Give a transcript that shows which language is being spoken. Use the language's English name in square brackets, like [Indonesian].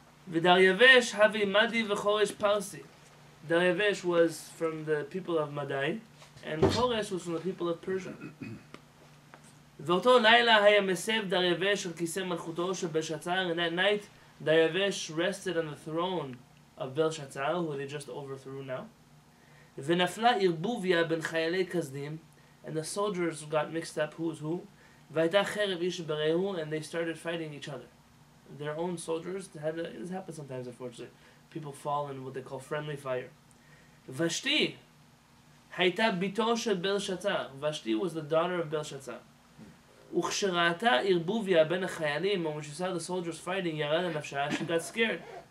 [English] V'daryavesh havi madi v'choresh parsi. Daryavesh was from the people of Madai, and Choresh was from the people of Persia. V'oto laila haya mesev daryavesh al kiseh malchuto shebelshazzar, and that night Daryavesh rested on the throne of Belshazzar, who they just overthrew now. ונפלה ערבוביה בין חיילי כזדים, and the soldiers got mixed up who's who, והייתה חרב איש ברעהו, and they started fighting each other. Their own soldiers, this happens sometimes, unfortunately. People fall in what they call friendly fire. [Hebrew] ושתי הייתה ביתו של בלשצר. [English] ושתי was the daughter of בלשצר. וכשראתה ערבוביה בין החיילים, and when she saw the soldiers fighting, ירדה נפשה, she got scared.